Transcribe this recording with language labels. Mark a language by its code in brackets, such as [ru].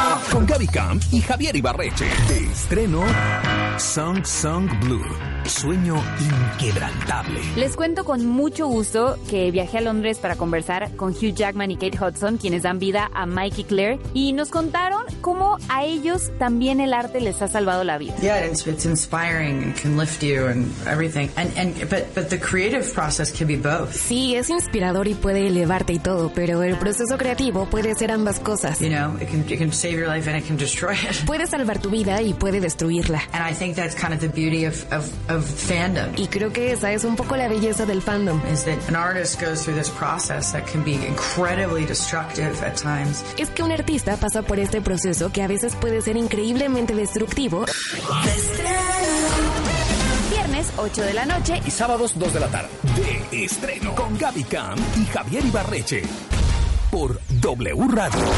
[es] Con Gaby Camp y Javier Ibarreche. De estreno, Song Song Blue. Sueño inquebrantable. Les cuento con mucho gusto que viajé a Londres para conversar con Hugh Jackman y Kate Hudson, quienes dan vida a Mike y Claire, y nos contaron cómo a ellos también el arte les ha salvado la vida. [en] Yeah, it's inspiring and can lift you and everything. But the creative process can be both. [es] Sí, es inspirador y puede elevarte y todo, pero el proceso creativo puede ser ambas cosas. [en] You know, it can save your life and it can destroy it. [es] Puede salvar tu vida y puede destruirla. [en] And I think that's kind of the beauty of fandom. [es] Y creo que esa es un poco la belleza del fandom. [en] Is that an artist goes through this process that can be incredibly destructive at times. [es] Es que un artista pasa por este proceso que a veces puede ser increíblemente destructivo. Viernes 8 de la noche y sábados 2 de la tarde. De estreno con Gaby Camp y Javier Ibarreche. Por W Radio.